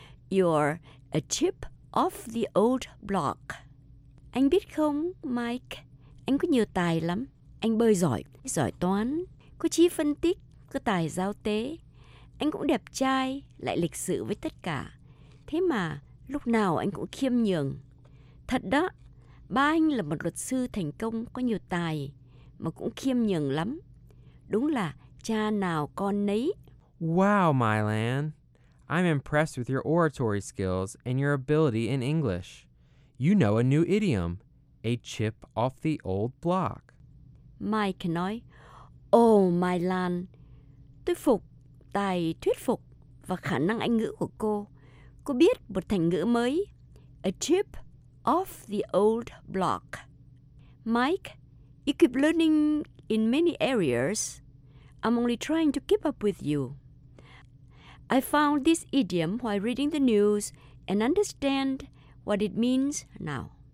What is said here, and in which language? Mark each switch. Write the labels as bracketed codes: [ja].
[en] You're a chip off the old block. [vi] Anh biết không, Mike, anh có nhiều tài lắm. Anh bơi giỏi, giỏi toán, có trí phân tích, có tài giao tế. Anh cũng đẹp trai, lại lịch sự với tất cả. Thế mà, lúc nào anh cũng khiêm nhường. Thật đó, ba anh là một luật sư thành công, có nhiều tài, mà cũng khiêm nhường lắm. Đúng là cha nào con nấy. [en] Wow, Mylan. I'm impressed with your oratory skills and your ability in English. You know a new idiom, a chip off the old block. [vi] Mike nói, oh, Mylan, tôi phục tài thuyết phục và khả năng anh ngữ của cô. Cô biết một thành ngữ mới, [en] a chip off the old block. Mike, you keep learning in many areas. I'm only trying to keep up with you. I found this idiom while reading the news and understand what it means now.